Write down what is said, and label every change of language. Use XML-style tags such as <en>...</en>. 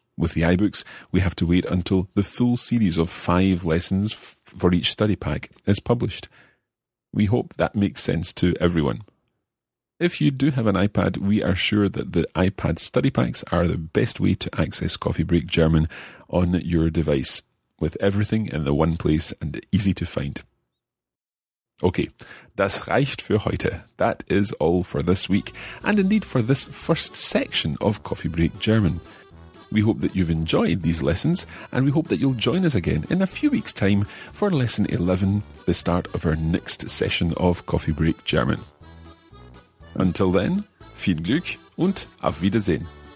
<en>With the iBooks, we have to wait until the full series of 5 lessons for each study pack is published. We hope that makes sense to everyone. If you do have an iPad, we are sure that the iPad study packs are the best way to access Coffee Break German on your device, with everything in the one place and easy to find.</en> <de>Okay, das reicht für heute.</de> <en>That is all for this week, and indeed for this first section of Coffee Break German. We hope that you've enjoyed these lessons, and we hope that you'll join us again in a few weeks' time for Lesson 11, the start of our next session of Coffee Break German. Until then,</en> <de>viel Glück und auf Wiedersehen.</de>